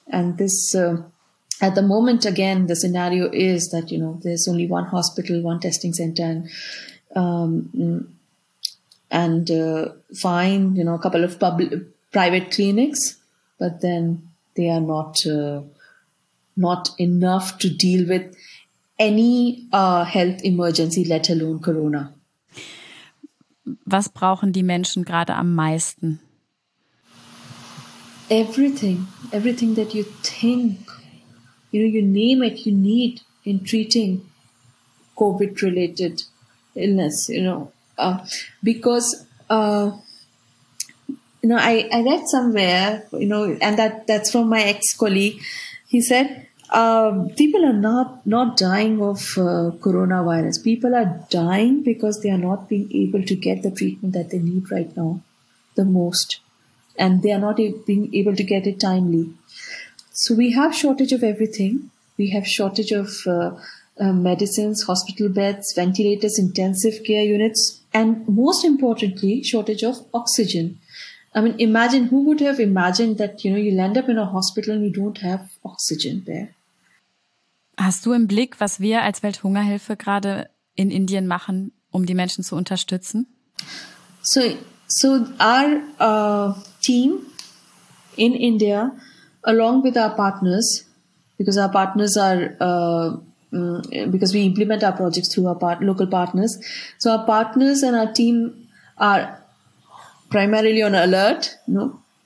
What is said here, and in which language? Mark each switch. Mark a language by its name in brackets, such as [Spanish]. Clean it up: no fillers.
[English] And this, at the moment, again, the scenario is that, you know, there's only one hospital, one testing center, and you know, a couple of private clinics, but then they are not enough to deal with any health emergency, let alone Corona. [German] Was brauchen die Menschen gerade am meisten? [English] Everything that you think, you know, you name it, you need in treating COVID-related illness, you know, because, you know, I read somewhere, you know, and that's from my ex-colleague. He said, people are not dying of coronavirus. People are dying because they are not being able to get the treatment that they need right now the most. And they are not being able to get it timely. So we have shortage of everything. We have shortage of medicines, hospital beds, ventilators, intensive care units. And most importantly, shortage of oxygen. I mean, imagine, who would have imagined that, you know, you'll end up in a hospital and you don't have oxygen there. [German] Hast du im Blick, was wir als Welthungerhilfe gerade in Indien machen, um die Menschen zu unterstützen? [English] So our team in India, along with our partners, because our partners are, because we implement our projects through our local partners. So our partners and our team are primarily on alert. You know?